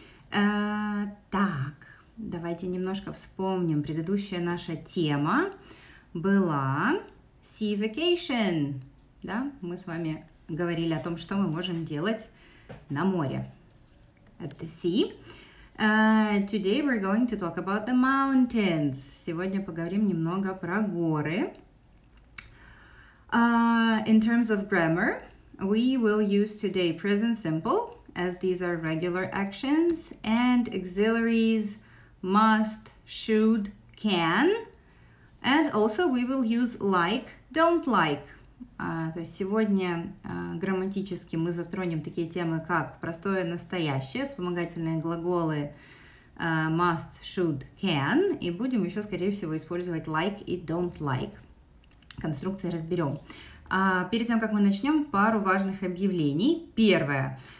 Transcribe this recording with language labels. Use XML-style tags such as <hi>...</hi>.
<ru>Так, давайте немножко вспомним. Предыдущая наша тема была Sea Vacation. Да? Мы с вами говорили о том, что мы можем делать на море.</ru> <en>At the sea. Today we're going to talk about the mountains.</en> <ru>Сегодня поговорим немного про горы.</ru> <en>In terms of grammar, we will use today present simple, as these are regular actions, and auxiliaries must, should, can, and also we will use like, don't like.</en> <ru>То есть сегодня грамматически мы затронем такие темы, как простое настоящее, вспомогательные глаголы must, should, can, и будем еще, скорее всего, использовать like и don't like. Конструкции разберем. Перед тем, как мы начнем, пару важных объявлений. Первое.</ru>